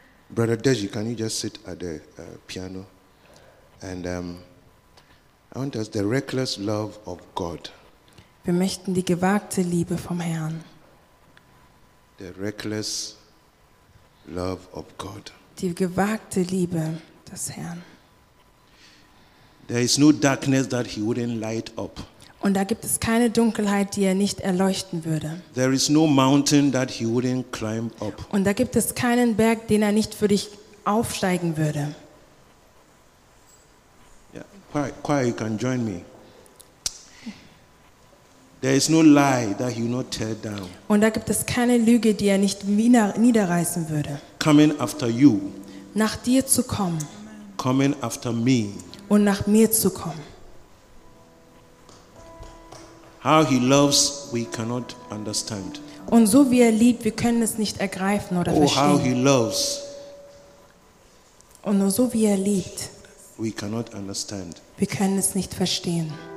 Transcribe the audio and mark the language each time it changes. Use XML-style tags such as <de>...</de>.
<en>Brother Deji, can you just sit at the piano? And I want us the reckless love of God.</en> <de>Wir möchten die gewagte Liebe vom Herrn.</de> <en>The reckless love of God.</en> <de>Die gewagte Liebe des Herrn.</de> <en>There is no darkness that he wouldn't light up.</en> <de>Und da gibt es keine Dunkelheit, die er nicht erleuchten würde.</de> <en>There is no mountain that he wouldn't climb up.</en> <de>Und da gibt es keinen Berg, den er nicht für dich aufsteigen würde.</de> <en>Yeah. Choir, you can join me. There is no lie that he will not tear down.</en> <de>Und da gibt es keine Lüge, die er nicht niederreißen würde.</de> <en>Coming after you.</en> <de>Nach dir zu kommen.</de> <en>Coming after me.</en> <de>Und nach mir zu kommen.</de> <en>How he loves, we cannot understand.</en> <de>Und so wie er liebt, wir können es nicht ergreifen oder verstehen.</de> <en>Oh, how he loves.</en> <de>Und nur so wie er liebt,</de> <en>we cannot understand.</en> <de>Wir können es nicht verstehen.</de>